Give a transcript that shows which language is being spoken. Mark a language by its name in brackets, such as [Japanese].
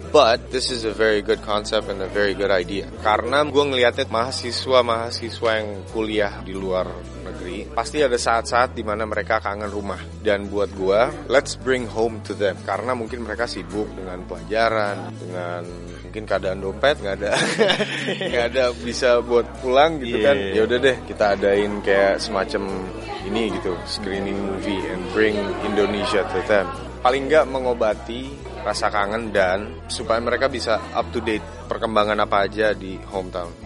[English] But this is a very good concept and a very good idea. [Indonesian] Karena gue ngeliatnya mahasiswa-mahasiswa yang kuliah di luar negeri, pasti ada saat-saat di mana mereka kangen rumah. Dan buat gue, [English] let's bring home to them. [Indonesian] Karena mungkin mereka sibuk dengan pelajaran, dengan mungkin keadaan dompet, gak ada bisa buat pulang gitu kan. Ya udah deh, kita adain kayak semacam ini gitu, [English] screening movie and bring Indonesia to them. [Indonesian] Paling gak mengobati rasa kangen dan supaya mereka bisa up to date perkembangan apa aja di hometown.